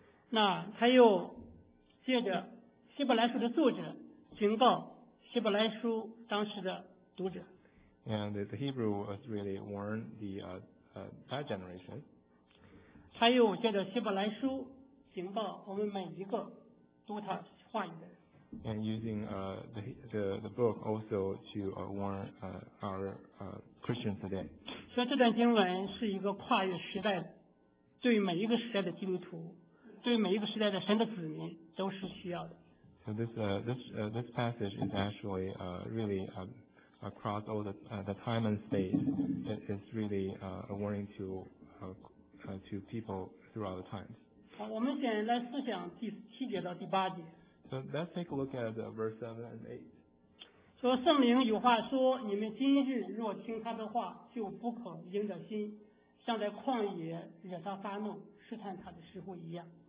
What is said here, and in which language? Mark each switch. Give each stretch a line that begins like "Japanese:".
Chinese: 那他又借着希伯来书的作者警告希伯来书当时的读者。
English: And the Hebrew was really warned that generation.
Chinese: 他又借着希伯来书警告我们每一个读他话语的人。
English: And using the book also to warn our Christians today. So this
Chinese: 段经文是一个跨越时代的，对每一个时代的基督徒，对每一个时代的神的子民都是需要的。
English: So this passage is actually across all the time and space. It is really a warning to people throughout the times.
Chinese: 好，我们先来思想第七节到第八节。
English: So let's take a look at verse 7 and 8.
Chinese: 说圣灵有话说，你们今日若听他的话，就不可硬着心，像在旷野惹他发怒、试探他的时候一样。